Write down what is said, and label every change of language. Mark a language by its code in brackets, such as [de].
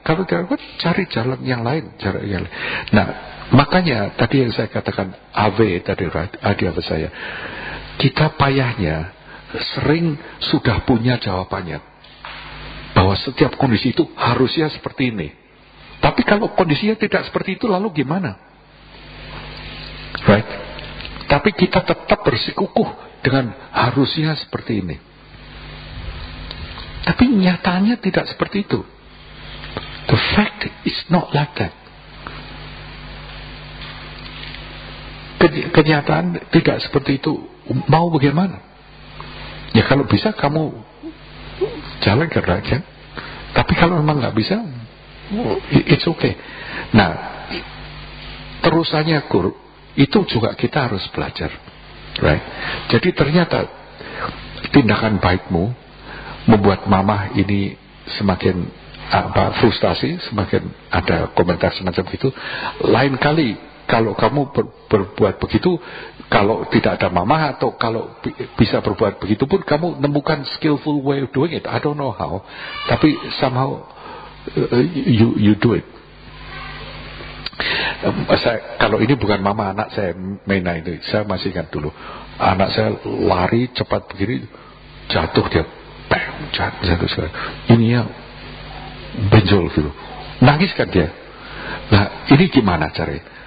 [id] Kalau tidak kuat, cari jalan yang lain, cara yang lain. Nah, makanya tadi yang saya katakan Ave tadi Adi apa saya, kita payahnya sering sudah punya jawabannya bahwa setiap kondisi itu harusnya seperti ini. Tapi kalau kondisinya tidak seperti itu, lalu gimana? [en] Right? [id] Tapi kita tetap bersikukuh dengan harusnya seperti ini. Tapi nyatanya tidak seperti itu. [en] The fact is not like that. [id] kenyataan tidak seperti itu, mau bagaimana? Ya kalau bisa kamu jalan ke raja, tapi kalau memang nggak bisa, [en] it's okay. [id] Nah, terusannya kur itu juga kita harus belajar, [en] right? [id] Jadi ternyata tindakan baikmu membuat mama ini semakin apa frustasi, semakin ada komentar semacam itu. Lain kali kalau kamu berbuat begitu, kalau tidak ada mama atau kalau bisa berbuat begitu pun, kamu nemukan [en] skillful way of doing it. I don't know how, [id] tapi [en] somehow you do it. [id] Saya, kalau ini bukan mama anak saya Mena itu, saya masih ingat dulu. Anak saya lari cepat begini, jatuh dia, bang, jatuh sekali. Ini ya benjol gitu. Nangis kan dia. Nah, ini gimana caranya?